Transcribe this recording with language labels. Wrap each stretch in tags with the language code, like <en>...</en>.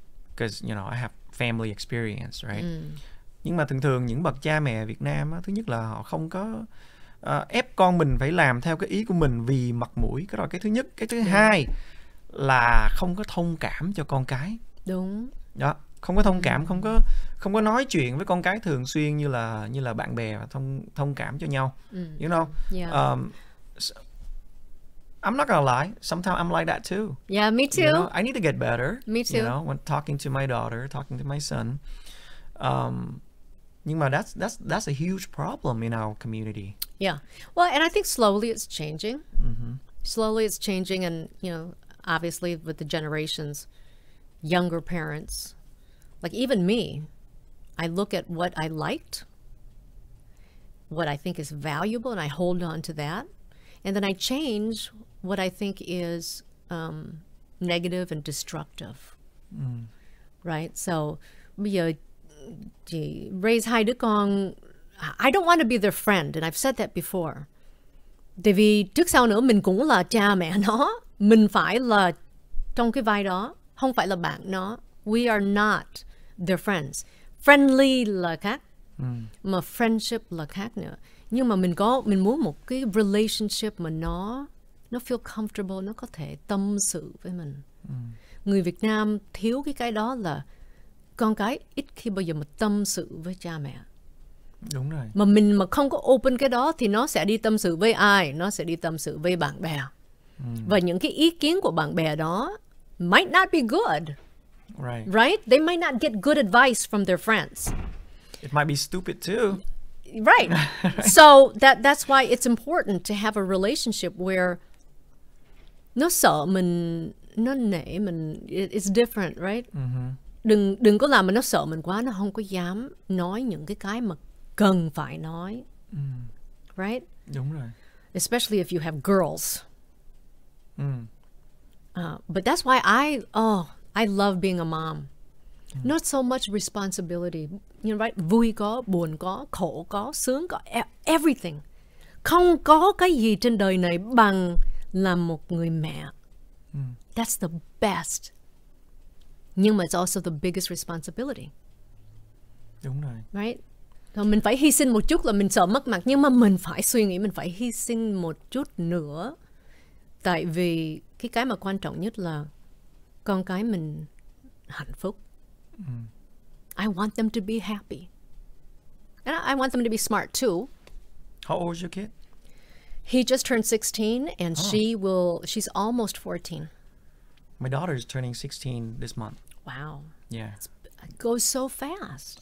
<en>Because, you know, I have family experience, right? Mm.</en> <vi>Nhưng mà thường thường những bậc cha mẹ Việt Nam á, thứ nhất là họ không có ép con mình phải làm theo cái ý của mình vì mặt mũi. Cái đó là cái thứ nhất. Cái thứ hai là không có thông cảm cho con cái. Đúng. Đó, không có thông cảm, không có nói chuyện với con cái thường xuyên như là bạn bè và thông cảm cho nhau. Ừ.</vi> <en>You know? Yeah. I'm not gonna lie, sometimes I'm like that too. Yeah, me too. You know? I need to get better. Me too. You know, when talking to my daughter, talking to my son.</en> <vi>Nhưng mà</vi> <en>that's a huge problem in our community. Yeah. Well, and I think slowly it's changing. Mm-hmm. Slowly it's changing, and you know, obviously with the generations, younger parents, like even me, I look at what I liked, what I think is valuable, and I hold on to that. And then I change what I think is negative and destructive. Mm. Right? So,</en> <vi>bây giờ,</vi> <en>raise</en> <vi>hai đứa con,</vi> <en>I don't want to be their friend, and I've said that before.</en> <vi>Tại vì trước sau nữa mình cũng là cha mẹ nó. Mình phải là trong cái vai đó, không phải là bạn nó.</vi> <en>We are not their friends. Friendly</en> <vi>là khác,</vi> <en>mà friendship</en> <vi>là khác nữa. Nhưng mà mình muốn một cái relationship mà nó feel comfortable, nó có thể tâm sự với mình. Người Việt Nam thiếu cái đó là con cái ít khi bao giờ mà tâm sự với cha mẹ. Đúng rồi. Mà mình mà không có open cái đó thì nó sẽ đi tâm sự với ai? Nó sẽ đi tâm sự với bạn bè. Và những cái ý kiến của bạn bè đó</vi> <en>might not be good. Right. Right? They might not get good advice from their friends. It might be stupid too. Right. Right. So that's why it's important to have a relationship where</en> <vi>nó sợ mình, nó nể mình,</vi> <en>it's different, right? Mm-hmm.</en> <vi>Đừng có làm mà nó sợ mình quá, nó không có dám nói những cái mà cần phải nói. Mm.</vi> <en>Right?</en> <vi>Đúng rồi.</vi> <en>Especially if you have girls. Mm. But that's why I love being a mom. Not so much responsibility, you know, right?</en> <vi>Vui có, buồn có, khổ có, sướng có,</vi> <en>everything.</en> <vi>Không có cái gì trên đời này bằng làm một người mẹ.</vi> <en>That's the best.</en> <vi>Nhưng mà</vi> <en>it's also the biggest responsibility.</en> <vi>Đúng rồi.</vi> <en>Right?</en> <vi>Thôi mình phải hy sinh một chút là mình sợ mất mặt, nhưng mà mình phải suy nghĩ, mình phải hy sinh một chút nữa. Tại vì cái mà quan trọng nhất là con cái mình hạnh phúc.</vi> <en>I want them to be happy. And I want them to be smart too. How old is your kid? He just turned 16 and she's almost 14. My daughter is turning 16 this month. Wow. Yeah. It goes so fast.</en>